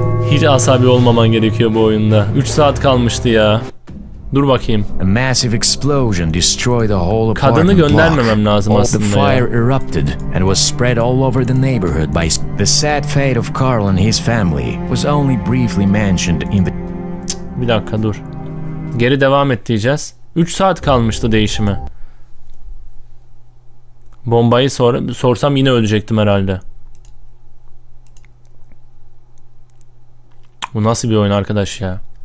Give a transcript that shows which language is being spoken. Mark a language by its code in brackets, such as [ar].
[tr] Hiç asabi olmaman gerekiyor bu oyunda. 3 saat kalmıştı ya. Dur bakayım. [en] A massive explosion destroyed the whole apartment. [tr] Kadını göndermemem lazım aslında. [en] The fire erupted and was spread all over the neighborhood by the sad fate of Carl and his family was only briefly mentioned in the. [tr] Bir dakika dur. Geri devam et diyeceğiz. 3 saat kalmıştı değişime. Bombayı sorsam yine ölecektim herhalde. Bu nasıl bir oyun arkadaş ya?